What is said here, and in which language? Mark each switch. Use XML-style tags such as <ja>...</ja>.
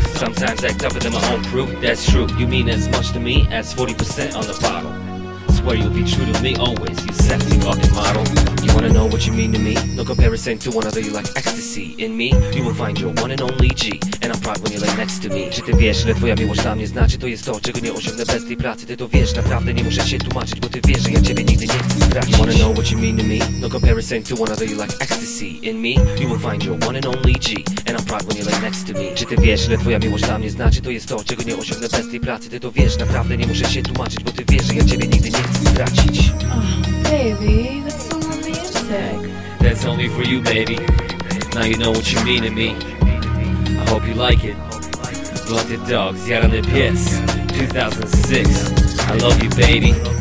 <en>Sometimes act tougher than my own crew. That's true, you mean as much to me as 40% on the bottle. Swear you'll be true to me always, you sexy fucking model. You wanna know what you mean to me? No comparison to one other, you like ecstasy. In me, you will find your one and only G. And I'm proud when you lay next to me.</en> <pl>Czy ty wiesz, że twoja miłość dla mnie znaczy? To jest to, czego nie osiągnę bez tej pracy. Ty to wiesz, naprawdę nie muszę się tłumaczyć. Bo ty wiesz, że ja ciebie nigdy nie chcę stracić.</pl> <en>You wanna know what you mean to me? No comparison to one other, you like ecstasy. In me, you will find your one and only G. And I'm proud when you lay next to me.</en> <pl>Czy ty wiesz, że twoja miłość dla mnie znaczy? To jest to, czego nie osiągnę bez tej pracy. Ty to wiesz, naprawdę nie muszę się tłumaczyć. Bo ty wiesz, że ja ciebie nigdy nie chcę stracić.</pl> <en>Baby, that's so romantic. That's only for you, baby. Now you know what you mean to me. I hope you like it. Blunted dogs, yet on the piss. 2006, I love you, baby.</en>